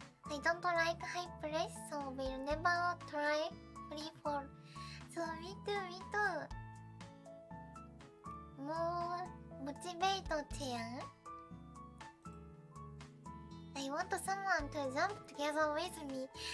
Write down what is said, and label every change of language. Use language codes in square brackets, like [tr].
[en] I don't like high place, so we'll never try. [ja] フリーフォール。そう、ミートゥー、ミートゥー。もうモチベートちゃん。 [en] I want someone to jump together with me.